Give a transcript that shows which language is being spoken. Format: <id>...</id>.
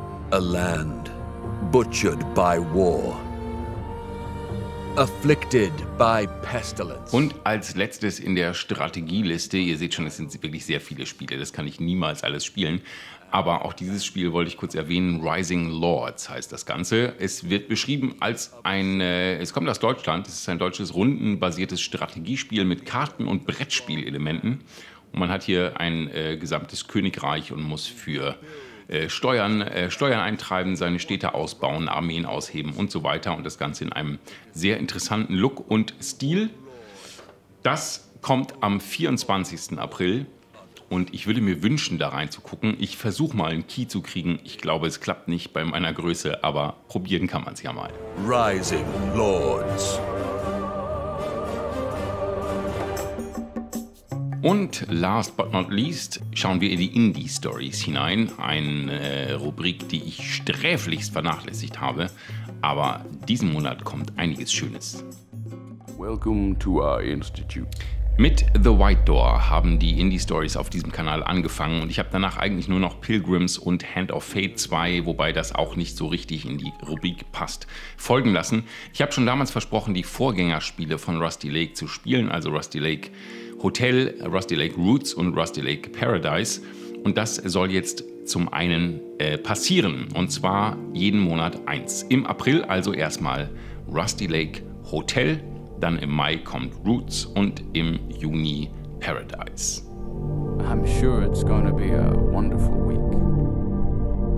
<en>A land butchered by war, afflicted by pestilence.</en> <de>Und als letztes in der Strategieliste, ihr seht schon, es sind wirklich sehr viele Spiele, das kann ich niemals alles spielen. Aber auch dieses Spiel wollte ich kurz erwähnen. Rising Lords heißt das Ganze. Es wird beschrieben als es kommt aus Deutschland. Es ist ein deutsches rundenbasiertes Strategiespiel mit Karten- und Brettspielelementen. Und man hat hier ein gesamtes Königreich und muss für Steuern eintreiben, seine Städte ausbauen, Armeen ausheben und so weiter. Und das Ganze in einem sehr interessanten Look und Stil. Das kommt am 24. April. Und ich würde mir wünschen, da reinzugucken. Ich versuche mal, einen Key zu kriegen. Ich glaube, es klappt nicht bei meiner Größe, aber probieren kann man es ja mal. Rising Lords. Und</de> <en>last but not least</en> <de>schauen wir in die Indie-Stories hinein. Eine Rubrik, die ich sträflichst vernachlässigt habe. Aber diesen Monat kommt einiges Schönes.</de> <en>Welcome to our Institute.</en> <de>Mit The White Door haben die Indie-Stories auf diesem Kanal angefangen und ich habe danach eigentlich nur noch Pilgrims und Hand of Fate 2, wobei das auch nicht so richtig in die Rubrik passt, folgen lassen. Ich habe schon damals versprochen, die Vorgängerspiele von Rusty Lake zu spielen, also Rusty Lake Hotel, Rusty Lake Roots und Rusty Lake Paradise. Und das soll jetzt zum einen passieren, und zwar jeden Monat eins. Im April also erstmal Rusty Lake Hotel. Dann im Mai kommt Roots und im Juni Paradise.</de> <en>I'm sure it's gonna be a wonderful week.</en>